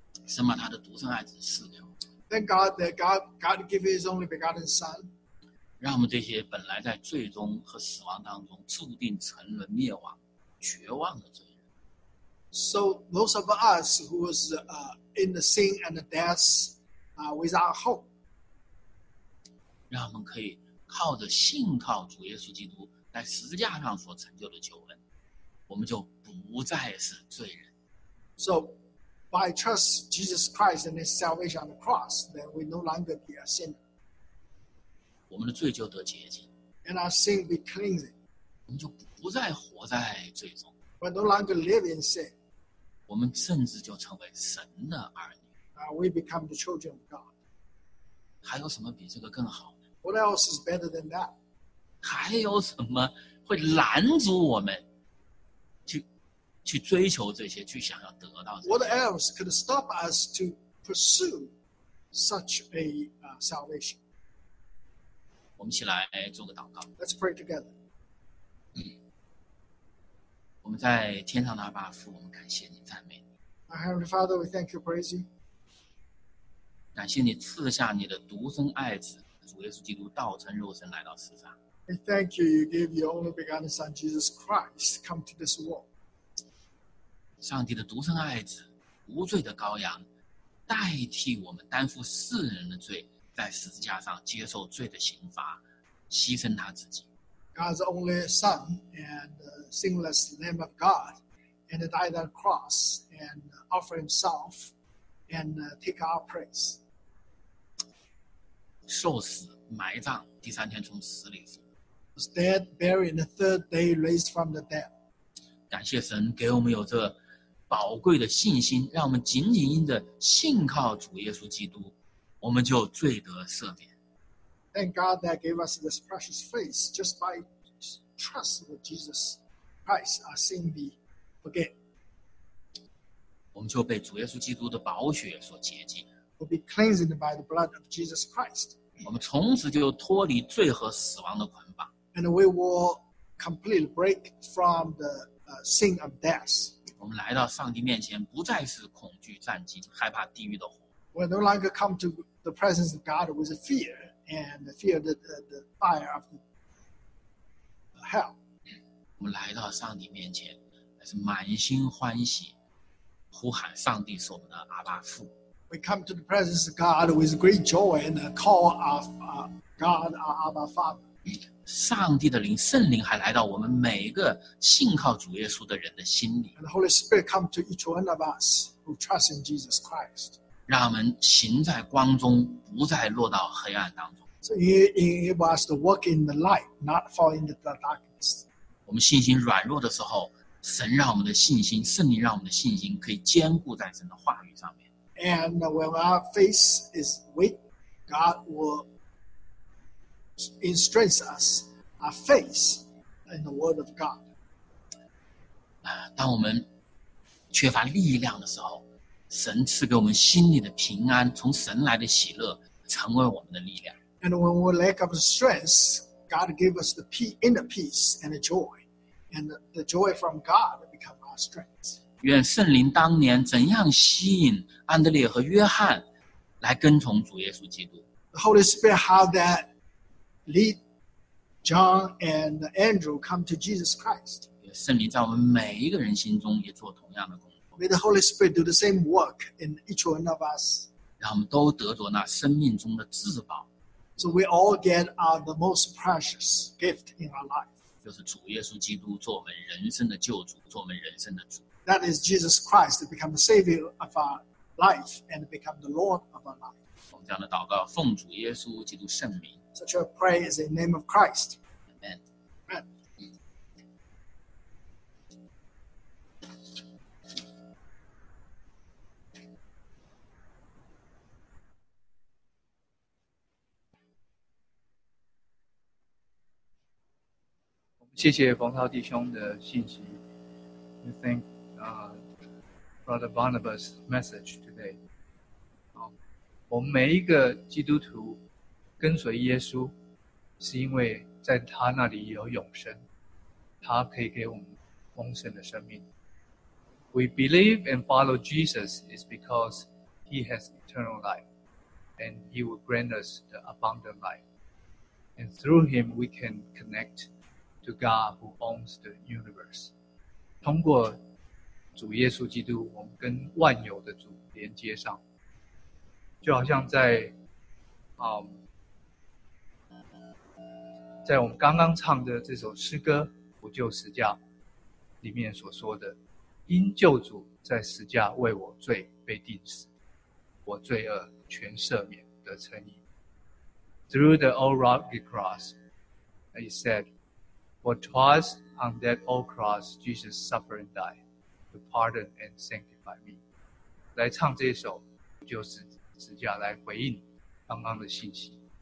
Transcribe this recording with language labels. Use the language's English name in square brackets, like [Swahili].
[English] Thank God that God gave his only begotten Son. So those of us who was in the sin and the death without hope, [Chinese] 让我们可以靠着信靠主耶稣基督在十字架上所成就的救恩，我们就不再是罪人。 [English] So by trust Jesus Christ and his salvation on the cross, then we no longer be a sinner. [Chinese] 我们的罪就得洁净。 [English] And our sin be cleansed. [Chinese] 我们就不再活在罪中。 [English] We no longer live in sin. [Chinese] 我们甚至就成为神的儿女。 [English] We become the children of God. [Chinese] 还有什么比这个更好？ [English] What else is better than that? [Chinese] 还有什么会拦阻我们去追求这些，去想要得到这些？ [English] What else could stop us to pursue such a salvation? [Chinese] 我们一起来做个祷告。 [English] Let's pray together. [Chinese] 我们在天上的阿爸父，我们感谢你，赞美你。 [English] Our Heavenly Father, we thank you, praise you. [Chinese] 感谢你赐下你的独生爱子。主耶稣基督道成肉身来到世上。 [English] And thank you, you gave your only begotten Son Jesus Christ come to this world. [Chinese] 上帝的独生爱子，无罪的羔羊，代替我们担负世人的罪，在十字架上接受罪的刑罚，牺牲他自己。 [English] God's only Son and sinless Lamb of God, and died on the cross and offer Himself and take our place. [Chinese] 受死埋葬，第三天从死里复活。 [English] Was dead, buried, the third day raised from the dead. [Chinese] 感谢神给我们有这宝贵的信心，让我们紧紧因着信靠主耶稣基督，我们就罪得赦免。 [English] Thank God that gave us this precious faith just by trust in Jesus Christ, our sin be forgiven. [Chinese] 我们就被主耶稣基督的宝血所洁净。 [English] Will be cleansed by the blood of Jesus Christ. [Chinese] 我们从此就脱离罪和死亡的捆绑。 [English] And we will completely break from the sin of death. [Chinese] 我们来到上帝面前，不再是恐惧、战惊、害怕地狱的火。 [English] We no longer come to the presence of God with fear and fear the fire of the hell. [Chinese] 我们来到上帝面前，是满心欢喜，呼喊上帝是我们的阿爸父。 [English] We come to the presence of God with great joy and call of God, our Abba Father. [Chinese] 上帝的灵，圣灵还来到我们每一个信靠主耶稣的人的心里。 [English] And the Holy Spirit come to each one of us who trust in Jesus Christ. [Chinese] 让我们行在光中，不再落到黑暗当中。 [English] So He enable us to walk in the light, not fall into the darkness. [Chinese] 我们信心软弱的时候，神让我们的信心，圣灵让我们的信心可以坚固在神的话语上面。 [English] And when our faith is weak, God will strengthen us, our faith in the Word of God. [Chinese] 当我们缺乏力量的时候，神赐给我们心里的平安，从神来的喜乐成为我们的力量。 [English] And when we lack of strength, God gives us the inner peace and the joy, and the joy from God becomes our strength. [Chinese] 愿圣灵当年怎样吸引安德烈和约翰来跟从主耶稣基督。 [English] The Holy Spirit how that lead John and Andrew come to Jesus Christ. [Chinese] 愿圣灵在我们每一个人心中也做同样的工作。 [English] May the Holy Spirit do the same work in each one of us. [Chinese] 让我们都得着那生命中的至宝。 [English] So we all get the most precious gift in our life. [Chinese] 就是主耶稣基督做我们人生的救主，做我们人生的主。 [English] That is Jesus Christ to become the Savior of our life and become the Lord of our life. [Chinese] 这样的祷告，奉主耶稣基督圣名。 [English] Such a prayer is in the name of Christ. Amen. Amen. We thank Bong Tao [Chinese] 弟兄的信息。 [English] We thank Brother Barnabas' message today. [Chinese] 我们每一个基督徒跟随耶稣是因为在他那里有永生，他可以给我们丰盛的生命。 [English] We believe and follow Jesus is because he has eternal life and he will grant us the abundant life. And through him we can connect to God who owns the universe. [Chinese] 通过主耶稣基督，我们跟万有的主连接上，就好像在我们刚刚唱的这首诗歌《不救十架》里面所说的，因救主在十架为我罪被钉死，我罪恶全赦免得称义。 [English] Through the old rocky cross, he said, For twice on that old cross Jesus suffered and died to pardon and sanctify me. [Chinese] 来唱这首《不救十架》来回应刚刚的信息。